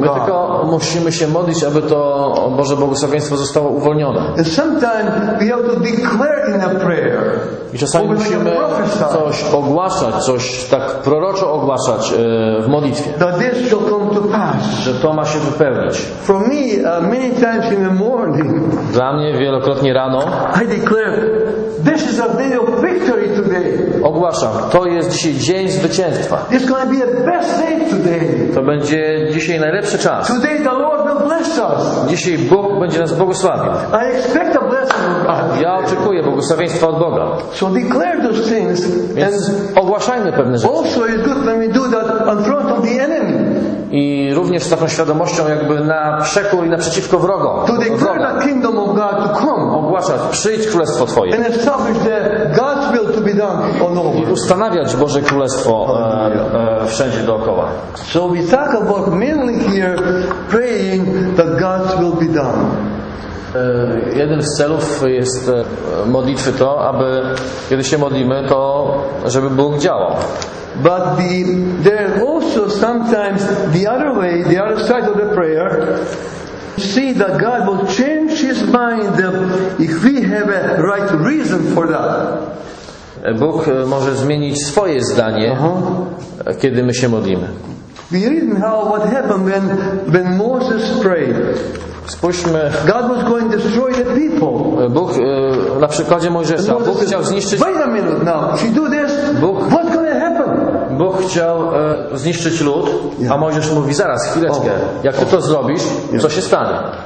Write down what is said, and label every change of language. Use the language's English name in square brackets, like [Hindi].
[Polish] My tylko musimy się modlić, aby to Boże błogosławieństwo zostało uwolnione. [English] And sometimes we have to declare in a prayer. [Polish] I czasami musimy coś ogłaszać, coś tak proroczo ogłaszać w modlitwie. [English] That this shall come to pass. [Polish] Że to ma się wypełnić. [English] For me, many times in the morning. [Polish] Dla mnie wielokrotnie rano. [English] I declare, this is a day of victory today. [Polish] Ogłaszam, to jest dzisiaj dzień zwycięstwa. [English] It's going to be the best day today. [Polish] To będzie dzisiaj najlepszy czas. [English] Today the Lord will bless us. [Polish] Dzisiaj Bóg będzie nas błogosławił. [English] I expect a blessing from God. [Polish] Ja oczekuję błogosławieństwa od Boga. [English] So declare those things. [Polish] Więc ogłaszajmy pewne rzeczy. [English] Also it's good when we do that in front of the enemy. [Polish] I również z taką świadomością, jakby na przekór i naprzeciwko wroga. [English] To declare the kingdom of God to come. [Polish] Ogłaszać, przyjdź królestwo Twoje. [English] And establish that God's will to be done on all. [Polish] I ustanawiać Boże królestwo wszędzie dookoła. [English] So we talk about mainly here praying that God's will be done. [Polish] Jeden z celów jest modlitwy to, aby kiedy się modlimy, to żeby Bóg działał. [English] But there are also sometimes the other way, the other side of the prayer. See that God will change His mind if we have a right reason for that. [Polish] Bóg może zmienić swoje zdanie, kiedy my się modlimy. [English] We read how what happened when Moses prayed. [Polish] Spójrzmy. [English] God was going to destroy the people. [Polish] Bóg na przykładzie Mojżesza. Bóg chciał zniszczyć. [English] Wait a minute now. If you do this, Bóg, what's going to happen? [Polish] Bóg chciał zniszczyć lud, a Mojżesz mówi: zaraz, chwileczkę. Jak ty to zrobisz, co się stanie?